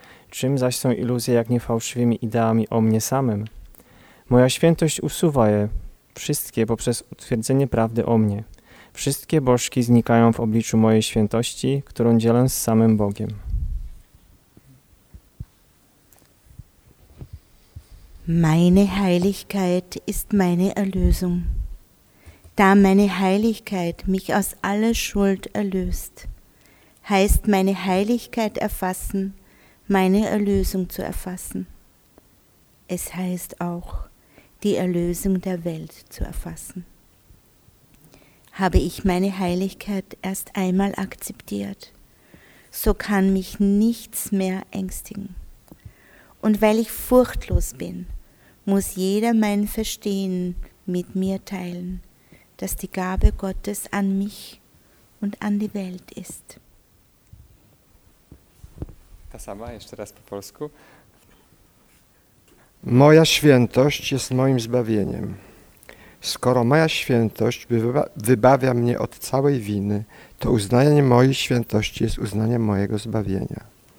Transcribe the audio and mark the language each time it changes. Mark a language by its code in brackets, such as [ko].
[pl] Czym zaś są iluzje, jak nie fałszywymi ideami o mnie samym? Moja świętość usuwa je wszystkie poprzez utwierdzenie prawdy o mnie. Wszystkie bożki znikają w obliczu mojej świętości, którą dzielę z samym Bogiem. [de] Meine Heiligkeit ist meine Erlösung. Da meine Heiligkeit mich aus aller Schuld erlöst, heißt meine Heiligkeit erfassen, meine Erlösung zu erfassen. Es heißt auch, die Erlösung der Welt zu erfassen. Habe ich meine Heiligkeit erst einmal akzeptiert, so kann mich nichts mehr ängstigen. Und weil ich furchtlos bin, muss jeder mein Verstehen mit mir teilen, dass die Gabe Gottes an mich und an die Welt ist. [pl] Ta sama, jeszcze raz po polsku. Moja świętość jest moim zbawieniem. Skoro moja świętość wybawia mnie od całej winy, to uznanie mojej świętości jest uznaniem mojego zbawienia.